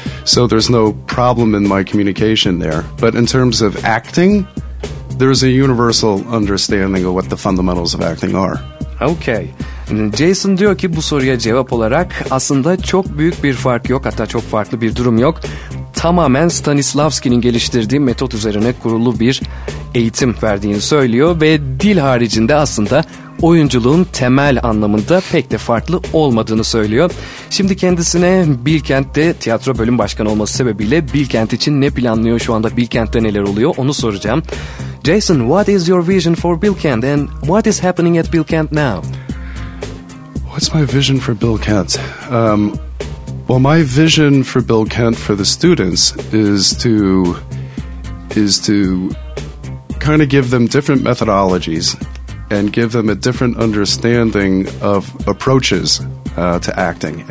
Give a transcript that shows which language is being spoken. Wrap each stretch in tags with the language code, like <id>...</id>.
<en>So there's no problem in my communication there. But in terms of acting, there's a universal understanding of what the fundamentals of acting are. Okay.</en> <tr>Jason diyor ki bu soruya cevap olarak aslında çok büyük bir fark yok, hatta çok farklı bir durum yok. Tamamen Stanislavski'nin geliştirdiği metot üzerine kurulu bir eğitim verdiğini söylüyor ve dil haricinde aslında oyunculuğun temel anlamında pek de farklı olmadığını söylüyor. Şimdi kendisine Bilkent'te tiyatro bölüm başkanı olması sebebiyle Bilkent için ne planlıyor şu anda, Bilkent'te neler oluyor onu soracağım.</tr> <en>Jason, what is your vision for Bilkent and what is happening at Bilkent now? What's my vision for Bilkent? Well, my vision for Bilkent for the students is to kind of give them different methodologies and give them a different understanding of approaches to acting.</en>